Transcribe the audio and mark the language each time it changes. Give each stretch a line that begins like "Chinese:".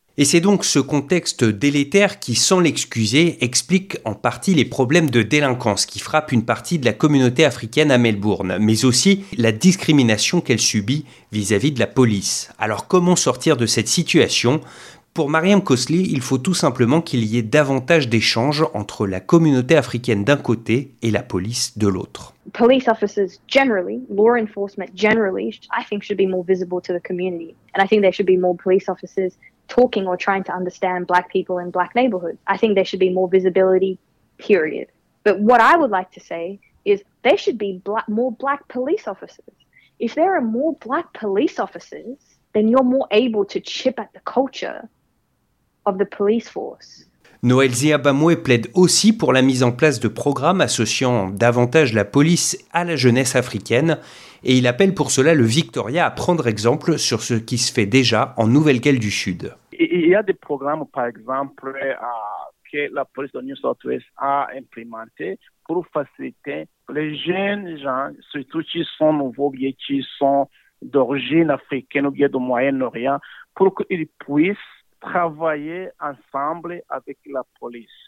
French: Et c'est donc ce contexte délétère qui, sans l'excuser, explique en partie les problèmes de délinquance qui frappent une partie de la communauté africaine à Melbourne, mais aussi la discrimination qu'elle subit vis-à-vis de la police. Alors comment sortir de cette situation ? Pour Mariam Kosli, il faut tout simplement qu'il y ait davantage d'échanges entre la communauté africaine d'un côté et la police de l'autre.
English: Police officers generally, law enforcement generally, I think should be more visible to the community. And I think there should be more police officers talking or trying to understand black people in black neighborhoods. I think there should be more visibility, period. But what I would like to say is there should be more black police officers. If there are more black police officers, then you're more able to chip at the culture of the police force.
French: Noël Ziabamoué plaide aussi pour la mise en place de programmes associant davantage la police à la jeunesse africaine et il appelle pour cela le Victoria à prendre exemple sur ce qui se fait déjà en Nouvelle-Galles du Sud. Il y a des programmes, par exemple, que la police de New South Wales a implémenté pour faciliter les jeunes gens, surtout qui sont nouveaux, qui sont d'origine africaine ou bien du Moyen-Orient, pour qu'ils puissent travailler ensemble avec la police.